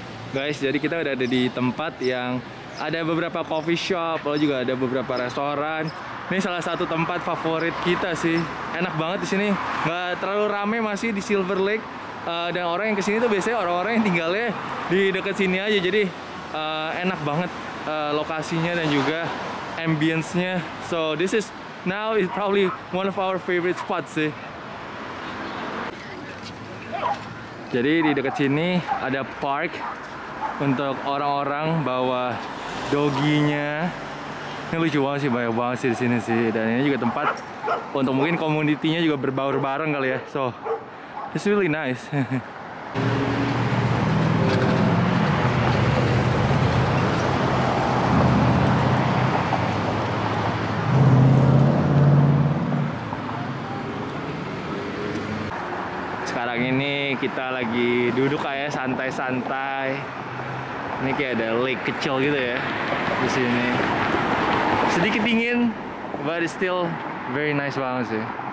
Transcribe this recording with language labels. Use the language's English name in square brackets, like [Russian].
[Indonesian] Guys, jadi kita udah ada di tempat yang ada beberapa coffee shop, lalu juga ada beberapa restoran. Ini salah satu tempat favorit kita sih. Enak banget di sini. Gak terlalu rame masih di Silver Lake. Dan orang yang kesini tuh biasanya orang-orang yang tinggalnya di dekat sini aja. Jadi enak banget lokasinya dan juga ambience-nya. [English] So this is now is probably one of our favorite spots sih. [Indonesian] Jadi di dekat sini ada park untuk orang-orang bawa doginya. Ini lucu banget sih, banyak banget sih di sini sih. Dan ini juga tempat untuk mungkin community-nya juga berbaur bareng kali ya. [English] So, it's really nice. [Indonesian] Sekarang ini kita lagi duduk aja santai-santai. Ini kayak ada lake kecil gitu ya di sini. Sedikit dingin, [English] but it's still very nice [Indonesian] banget sih.